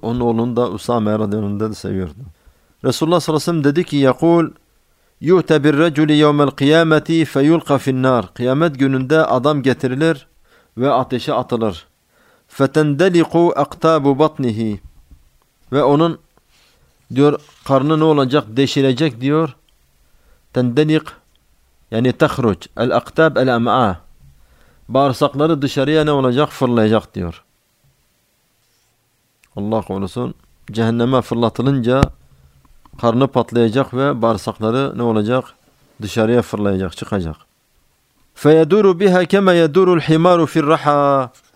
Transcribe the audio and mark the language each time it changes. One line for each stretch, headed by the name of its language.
Turkish: Onun oğlunu da Usame radiyallahu anh'ı da seviyordu. Resulullah sallallahu aleyhi ve sellem dedi ki yakul
Arabic: يُؤْتَ بِالرَّجُلِ يَوْمَ الْقِيَامَةِ فَيُلْقَ فِي النَّارِ.
Turkish: Kıyamet gününde adam getirilir ve ateşe atılır.
Arabic: فَتَنْدَلِقُ اَقْتَابُ بَطْنِهِ.
Turkish: Ve onun diyor karnı ne olacak? Deşilecek diyor.
Arabic: تَنْدَلِقْ yani تَخْرُجْ الْاَقْتَابْ الْاَمْعَى.
Turkish: Bağırsakları dışarıya ne olacak? Fırlayacak diyor. Allah korusun. Cehenneme fırlatılınca karnı patlayacak ve bağırsakları ne olacak? Dışarıya fırlayacak, çıkacak.
Arabic: فَيَدُورُ بِهَا كَمَا يَدُورُ الْحِمَارُ فِي الرَّحَى.